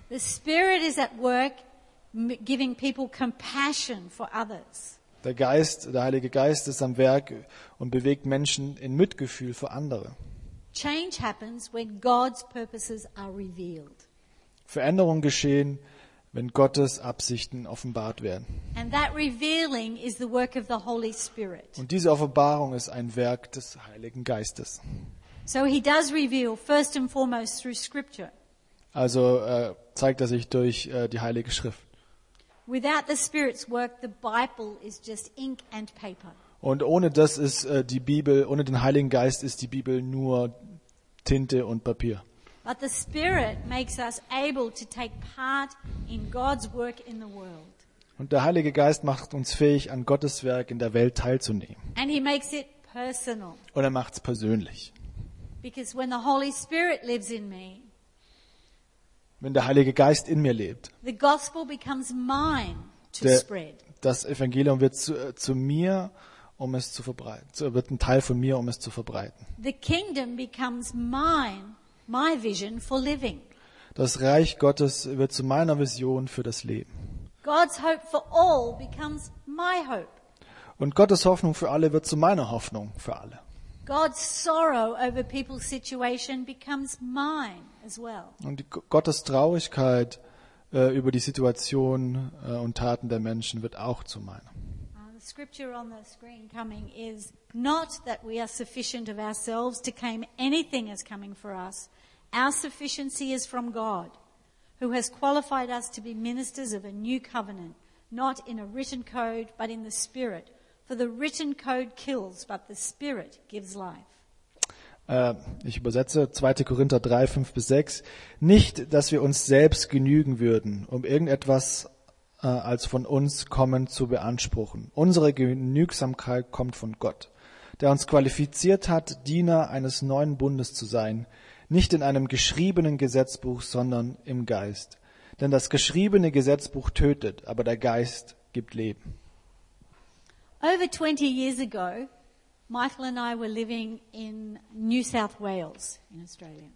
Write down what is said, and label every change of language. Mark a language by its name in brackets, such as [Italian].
[English] The Spirit is at work giving people compassion for others. [German] Der Heilige Geist ist am Werk und bewegt Menschen in Mitgefühl für andere. [English] Change happens when God's purposes are revealed. [German] Veränderungen geschehen, wenn Gottes Absichten offenbart werden. [English] And that revealing is the work of the Holy Spirit. [German] Und diese Offenbarung ist ein Werk des Heiligen Geistes. [English] So he does reveal first and foremost through scripture. [German] Also zeigt er sich durch die Heilige Schrift. [English] Without the Spirit's work, the Bible is just ink and paper. [German] Und ohne das ist die Bibel, ohne den Heiligen Geist ist die Bibel nur Tinte und Papier. [English] But the Spirit makes us able to take part in God's work in the world. [German] Und der Heilige Geist macht uns fähig, an Gottes Werk in der Welt teilzunehmen. [English] And he makes it personal. [German] Und er macht's persönlich. [English] Because when the Holy Spirit lives in me, [German] wenn der Heilige Geist in mir lebt, [English] the gospel becomes mine to spread. [German] Das Evangelium wird zu mir, um es zu verbreiten. So wird ein Teil von mir, um es zu verbreiten. [English] The kingdom becomes mine. My vision for living. [German] Das Reich Gottes wird zu meiner Vision für das Leben. [English] God's hope for all becomes my hope. [German] Und Gottes Hoffnung für alle wird zu meiner Hoffnung für alle. [English] God's sorrow over people's situation becomes mine as well. [German] Und Gottes Traurigkeit über die Situation und Taten der Menschen wird auch zu meiner. [English] The scripture on the screen coming is not that we are sufficient of ourselves to claim anything as coming for us. Our sufficiency is from God, who has qualified us to be ministers of a new covenant, not in a written code, but in the Spirit. For the written code kills, but the Spirit gives life. [German] Ich übersetze 2. Korinther 3, 5 bis 6. Nicht, dass wir uns selbst genügen würden, um irgendetwas als von uns kommen zu beanspruchen. Unsere Genügsamkeit kommt von Gott, der uns qualifiziert hat, Diener eines neuen Bundes zu sein, nicht in einem geschriebenen Gesetzbuch, sondern im Geist. Denn das geschriebene Gesetzbuch tötet, aber der Geist gibt Leben. [English] Over 20 years ago, Michael and I were living in New South Wales in Australia.